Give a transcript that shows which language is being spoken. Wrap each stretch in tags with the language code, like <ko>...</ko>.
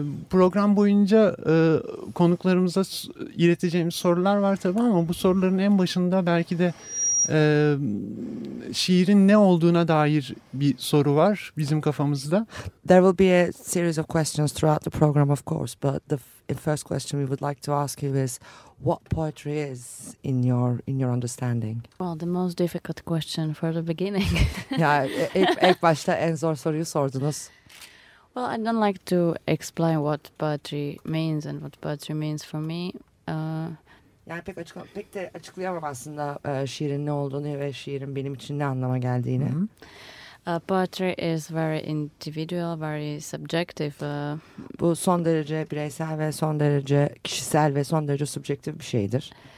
<tr>Program boyunca konuklarımıza ileteceğimiz sorular var tabii ama bu soruların en başında belki de şiirin ne olduğuna dair bir soru var bizim kafamızda.</tr> <en>There will be a series of questions throughout the program, of course, but the first question we would like to ask you is what poetry is in your understanding. Well, the most difficult question for the beginning.</en> <tr>Yeah, ilk başta en zor soruyu sordunuz.</tr> <en>Well, I don't like to explain what poetry means and what poetry means for me.</en> <tr>Yani pek de açıklayamam aslında şiirin ne olduğunu ve şiirin benim için ne anlama geldiğini.</tr> <en>Poetry is very individual, very subjective.</en> <tr>Bu son derece bireysel ve son derece kişisel ve son derece subjektif bir şeydir.</tr>